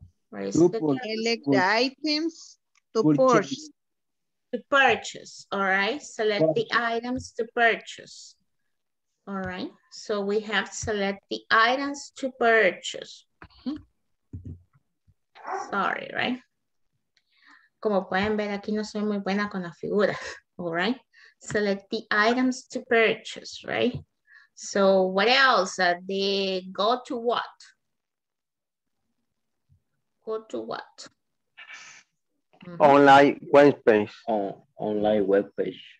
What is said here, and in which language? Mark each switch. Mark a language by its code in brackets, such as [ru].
[en] Where is the third? Select the items to purchase. To purchase, all right? Select the items to purchase. All right, so we have select the items to purchase. Sorry, right? [es] Como pueden ver, aquí no soy muy buena con la figura. [en] All right, select the items to purchase, right? So what else? They go to what? Go to what? Online web page. Online web page.